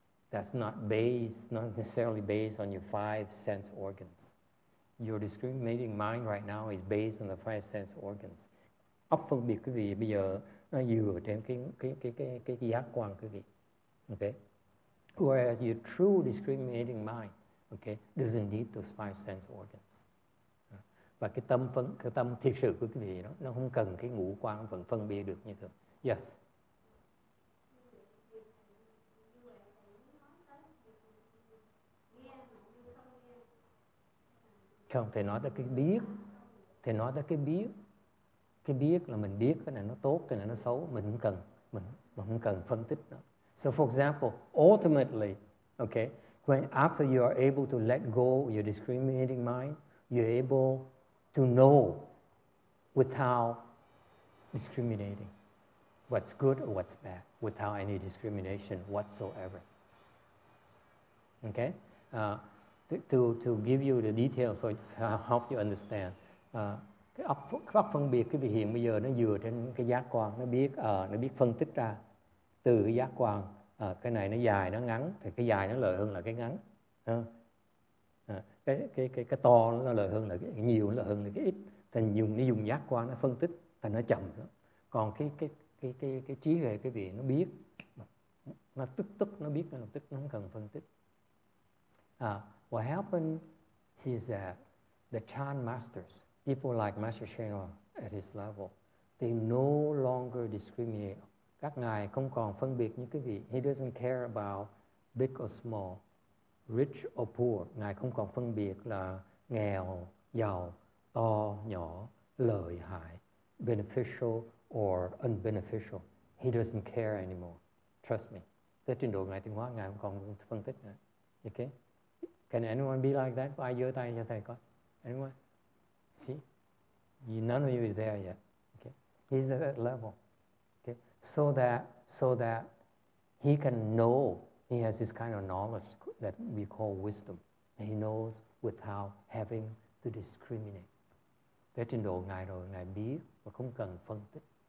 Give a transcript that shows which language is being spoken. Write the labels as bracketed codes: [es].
[en] That's not necessarily based on your five sense organs. Your discriminating mind right now is based on the five sense organs. [vi] Óc phân biệt quý vị bây giờ nó dựa trên cái giác quan quý vị. [en] Okay? Whereas your true discriminating mind, okay, doesn't need those five sense organs. [vi] Và cái tâm thiệt sự của quý vị nó không cần cái ngũ quan vẫn phân biệt được như thường. Yes. Không, thầy nói là cái biết. Thầy nói là cái biết. Cái biết là mình biết cái này nó tốt, cái này nó xấu. Mình không cần, mình không cần phân tích nó. [en] So for example, ultimately, okay, when after you are able to let go of your discriminating mind, you're able to know without discriminating. what's good or what's bad without any discrimination whatsoever. Okay? To give you the details so to help you understand. [vi] Cái óc phân biệt, cái biểu hiện bây giờ nó dựa trên cái giác quan, nó biết phân tích ra từ cái giác quan. Cái này nó dài, nó ngắn, thì cái dài nó lợi hơn là cái ngắn. Cái to nó lợi hơn là cái nhiều, nó lợi hơn là cái ít. Thành dùng nó dùng giác quan, nó phân tích, thành nó chậm. Đó. Còn cái trí về cái vị nó biết, nó tức tức, nó biết ngay lập tức, nó không cần phân tích. [en] What happened is that the Chan masters, people like Master Shen Huang at his level, they no longer discriminate. [vi] Các ngài không còn phân biệt như cái vị. [en] He doesn't care about big or small, rich or poor. [vi] Ngài không còn phân biệt là nghèo, giàu, to, nhỏ, lợi hại, [en] beneficial or unbeneficial. He doesn't care anymore. Trust me. [vi] Tới trình độ ngài tiến hóa, ngài không còn phân tích nữa. [en] Okay? Can anyone be like that? [vi] Ai giơ tay cho thầy coi. [en] Anyone? See? None of you is there yet. Okay? He's at that level. So that he can know, he has this kind of knowledge that we call wisdom. He knows without having to discriminate. [vi] Tới trình độ ngài rồi, ngài biết và không cần phân tích.